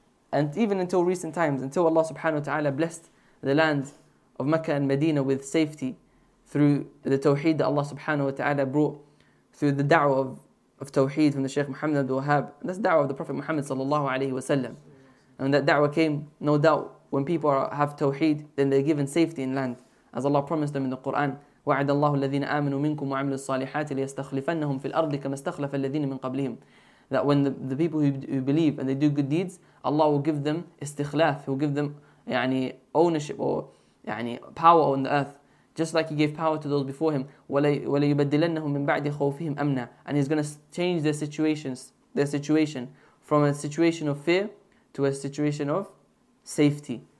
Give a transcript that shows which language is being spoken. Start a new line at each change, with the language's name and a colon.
English: And even until recent times, until Allah subhanahu wa ta'ala blessed the land of Mecca and Medina with safety through the tawheed that Allah subhanahu wa ta'ala brought, through the da'wah of tawheed from the Shaykh Muhammad Abdul Wahhab. That's the da'wah of the Prophet Muhammad sallallahu alayhi wa sallam. And that da'wah came, no doubt, when people have tawheed, then they're given safety in land. As Allah promised them in the Quran,
Arabic: وَعَدَ اللَّهُ الَّذِينَ آمَنُوا مِنْكُمْ وَعَمِلُوا الصَّالِحَاتِ لِيَسْتَخْلِفَنَّهُمْ فِي الْأَرْضِ كَمَا اسْتَخْلَفَ الَّذِينَ مِنْ قَبْلِهِمْ.
English: That when the people who believe and they do good deeds, Allah will give them istikhlaf, He will give them يعني, ownership or يعني, power on the earth. Just like He gave power to those before Him.
Arabic: وَلَيُبَدِّلَنَّهُمْ مِنْ بَعْدِ خَوْفِهِمْ أَمْنًا.
English: And He's going to change their situation from a situation of fear to a situation of safety.